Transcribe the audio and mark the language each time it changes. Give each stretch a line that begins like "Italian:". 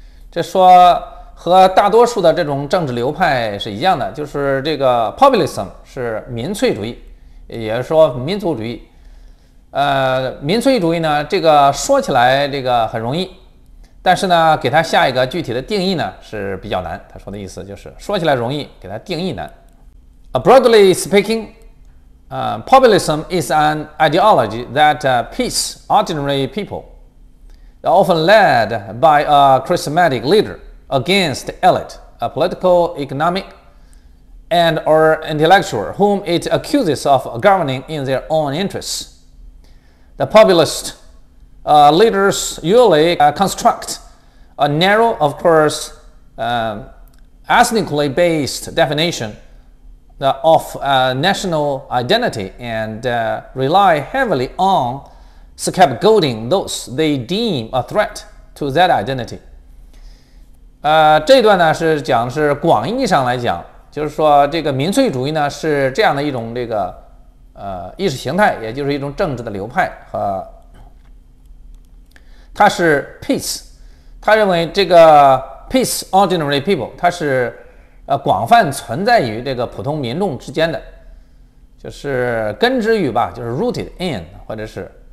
Chinese: 这说和大多数的这种政治流派是一样的，就是这个 populism 是民粹主义，也就是说民族主义。民粹主义呢，这个说起来这个很容易，但是呢，给它下一个具体的定义呢是比较难。他说的意思就是说起来容易，给它定义难。
English: Broadly speaking, populism is an ideology that pits ordinary people, often led by a charismatic leader, against elite, a political, economic, and or intellectual whom it accuses of governing in their own interests. The populist leaders usually construct a narrow, of course, ethnically based definition of national identity and rely heavily on scapegoating those they deem a threat to that identity。
Chinese: 这一段呢是讲的是广义上来讲，就是说这个民粹主义呢是这样的一种这个意识形态，也就是一种政治的流派和。他是 peace，他认为这个
English: peace ordinary people，
Chinese: 他是广泛存在于这个普通民众之间的，就是根植于吧，就是
English: rooted in，
Chinese: 或者是